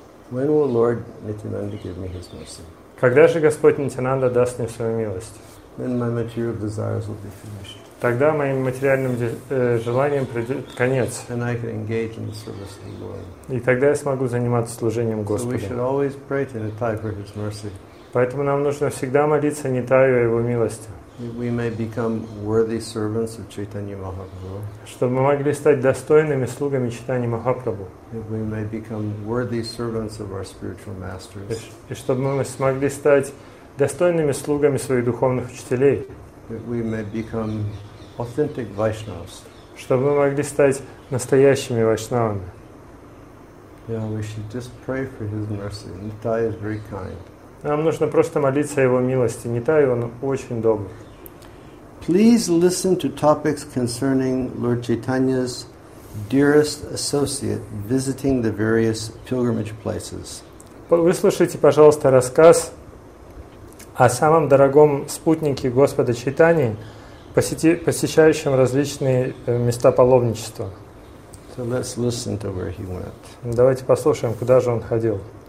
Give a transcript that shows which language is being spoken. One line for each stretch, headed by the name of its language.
English: When will Lord Nityananda give me his mercy?
Russian: Когда же Господь Нитянанда даст мне свою милость?
English: Then my material desires will be finished.
Russian: Тогда моим материальным желаниям придет конец.
English: And I can engage in the service of the Lord.
Russian: И тогда я смогу заниматься служением Господу.
English: So we should always pray to Nitai for his mercy.
Russian: Поэтому нам нужно всегда молиться Нитаю о его милости.
English: We may become worthy servants of Chaitanya Mahaprabhu.
Russian: Чтобы мы могли стать достойными слугами Чайтаньи Махапрабху.
English: We may become worthy servants of our spiritual masters.
Russian: И чтобы мы смогли стать достойными слугами своих духовных учителей.
English: That we may become authentic Vaishnavas.
Russian: Чтобы мы могли стать настоящими вайшнавами.
English: Yeah, we should just pray for his mercy. Nitai is very kind.
Russian: Нам нужно просто молиться о его милости. Нитай, он очень добр.
English: Please listen to topics concerning Lord Chaitanya's dearest associate visiting the various pilgrimage places.
Russian: Выслушайте, пожалуйста, рассказ о самом дорогом спутнике Господа Чайтаньи, посещающем различные места паломничества.
English: So let's listen to where he went.
Russian: Давайте послушаем, куда же он ходил.